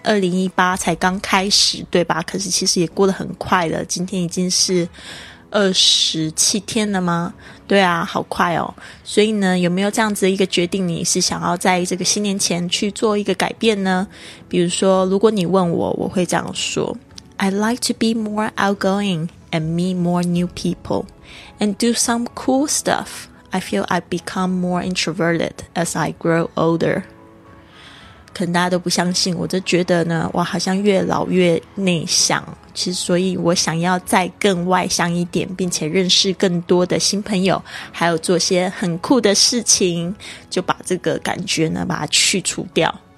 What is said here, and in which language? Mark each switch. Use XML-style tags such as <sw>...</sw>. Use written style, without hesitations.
<zh>2018才刚开始对吧，可是其实也过得很快了，今天已经是27天了吗？对啊，好快哦。所以呢，有没有这样子一个决定，你是想要在这个新年前去做一个改变呢？比如说如果你问我，我会这样说，</zh> <en>I'd like to be more outgoing and meet more new people and do some cool stuff. I feel I become more introverted as I grow older.</en> <zh>可能大家都不相信，我就觉得呢，哇，好像越老越内向，其实所以我想要再更外向一点，并且认识更多的新朋友，还有做些很酷的事情，就把这个感觉呢把它去除掉。</zh>